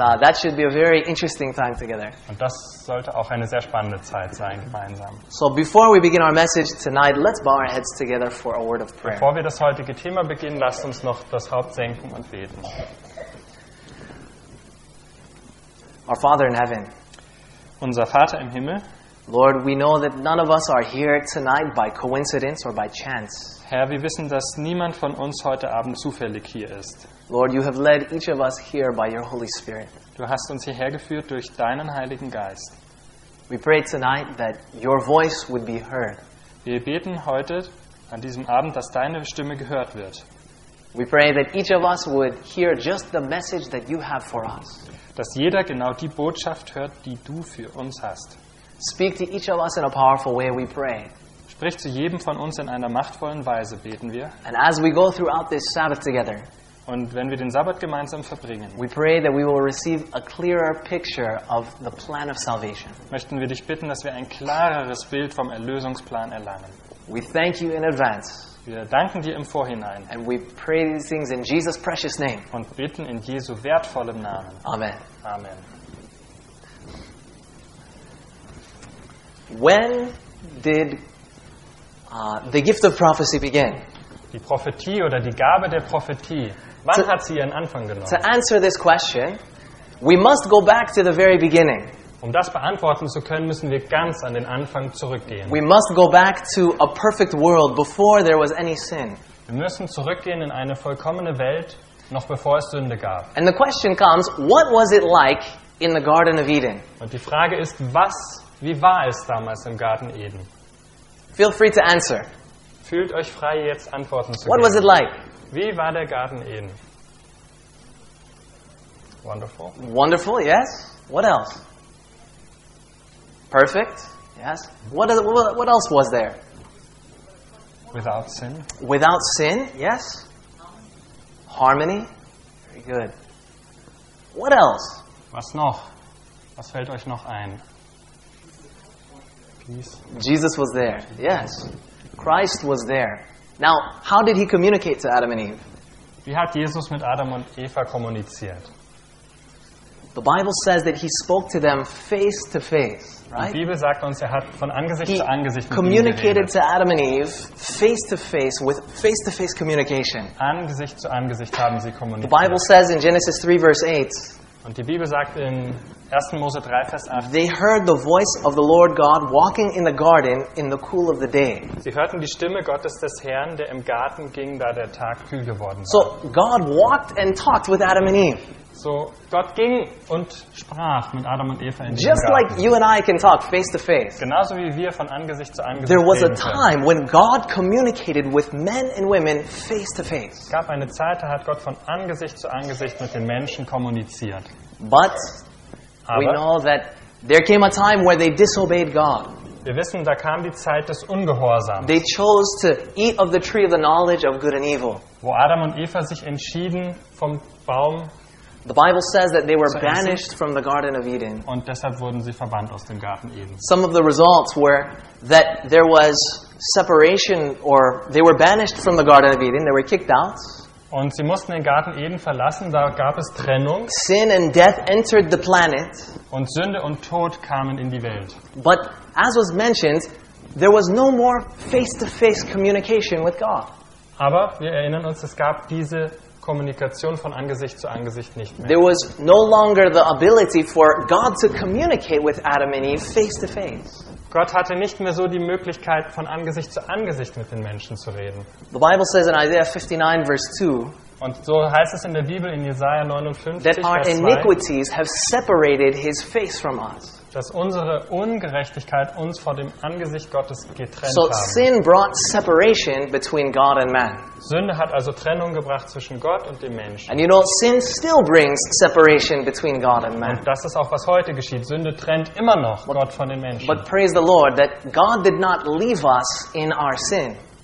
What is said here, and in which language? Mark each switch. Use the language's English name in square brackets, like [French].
[English] And that should be a very interesting time together. [German] Und das sollte auch eine sehr spannende Zeit sein gemeinsam. [English] So before we begin our message tonight, let's bow our heads together for a word of prayer. [German] Bevor wir das heutige Thema beginnen, lasst uns noch das Haupt senken und beten. [English] Our Father in heaven. [German] Unser Vater im Himmel. [English] Lord, we know that none of us are here tonight by coincidence or by chance. [German] Herr, wir wissen, dass niemand von uns heute Abend zufällig hier ist. [English] Lord, you have led each of us here by your Holy Spirit. [German] Du hast uns hierher geführt durch deinen Heiligen Geist. [English] We pray tonight that your voice would be heard. [German] Wir beten heute an diesem Abend, dass deine Stimme gehört wird. [English] We pray that each of us would hear just the message that you have for us. [German] Dass jeder genau die Botschaft hört, die du für uns hast. [English] Speak to each of us in a powerful way, we pray. [German] Sprich zu jedem von uns in einer machtvollen Weise, beten wir. [English] And as we go throughout this Sabbath together, [German] und wenn wir den Sabbat gemeinsam verbringen, [English] we pray that we will receive a clearer picture of the plan of salvation. [German] Möchten wir dich bitten, dass wir ein klareres Bild vom Erlösungsplan erlangen. [English] We thank you in advance. [German] Wir danken dir im Vorhinein. [English] And we pray these things in Jesus' precious name. [German] Und beten in Jesu wertvollem Namen. [English] Amen. [German] Amen. [English] When did the gift of prophecy begin? [German] Die Prophetie oder die Gabe der Prophetie, wann hat sie ihren Anfang genommen? [English] To answer this question, we must go back to the very beginning. [German] Um das beantworten zu können, müssen wir ganz an den Anfang zurückgehen. [English] We must go back to a perfect world before there was any sin. [German] Wir müssen zurückgehen in eine vollkommene Welt, noch bevor es Sünde gab. [English] And the question comes, what was it like in the Garden of Eden? [German] Und die Frage ist, wie war es damals im Garten Eden? [English] Feel free to answer. [German] Fühlt euch frei, jetzt Antworten zu geben. [English] What was it like? [German] Wie war der Garten Eden? [English] Wonderful. Wonderful, yes. What else? Perfect, yes. What else was there? Without sin. Without sin, yes. Harmony. Very good. What else? [German] Was noch? Was fällt euch noch ein? [English] Jesus was there. Yes. Christ was there. Now, how did he communicate to Adam and Eve? [German] Wie hat Jesus mit Adam und Eva kommuniziert? [English] The Bible says that he spoke to them face to face, right? [German] Die Bibel sagt uns, er hat von Angesicht zu Angesicht [English] mit communicated to Adam and Eve face to face with face to face communication. [German] Angesicht zu Angesicht haben sie kommuniziert. [English] The Bible says in Genesis 3 verse 8. [German] Und die Bibel sagt in 1. Mose 3, Vers 8. [English] They heard the voice of the Lord God walking in the garden in the cool of the day. [German] Sie hörten die Stimme Gottes des Herrn, der im Garten ging, da der Tag kühl geworden war. [English] So God walked and talked with Adam and Eve. [German] So Gott ging und sprach mit Adam und Eva in diesem [English] Just [German] Garten. [English] Like you and I can talk face to face. [German] Genauso wie wir von Angesicht zu Angesicht [English] There was [German] reden [English] a time [German] können. [English] When God communicated with men and women face to face. [German] Es gab eine Zeit, da hat Gott von Angesicht zu Angesicht mit den Menschen kommuniziert. [English] But we know that there came a time where they disobeyed God. [German] Wir wissen, da kam die Zeit des Ungehorsams. [English] They chose to eat of the tree of the knowledge of good and evil. [German] Wo Adam und Eva sich entschieden vom Baum. [English] The Bible says that they were banished from the Garden of Eden. [German] Und deshalb wurden sie verbannt aus dem Garten Eden. [English] Some of the results were that there was separation, or they were banished from the Garden of Eden. They were kicked out. [German] Und sie mussten den Garten Eden verlassen. Da gab es Trennung. [English] Sin and death entered the planet. [German] Und Sünde und Tod kamen in die Welt. [English] But as was mentioned, there was no more face-to-face communication with God. [German] Aber wir erinnern uns, es gab diese Kommunikation von Angesicht zu Angesicht nicht mehr. [English] There was no longer the ability for God to communicate with Adam and Eve face to face. [German] Gott hatte nicht mehr so die Möglichkeit, von Angesicht zu Angesicht mit den Menschen zu reden. [English] The Bible says in Isaiah 59 verse 2. [German] Und so heißt es in der Bibel in Jesaja 59 [English] that [German] Vers [English] 2. That our iniquities have separated his face from us. [German] Dass unsere Ungerechtigkeit uns vor dem Angesicht Gottes getrennt [English] so, [German] haben. [English] Sin brought separation between God and man. [German] Sünde hat also Trennung gebracht zwischen Gott und dem Menschen. [English] And you know, sin still brings separation between God and man. [German] Und das ist auch was heute geschieht. Sünde trennt immer noch Gott von den Menschen. [English] But praise the Lord that God did not leave us in our sin.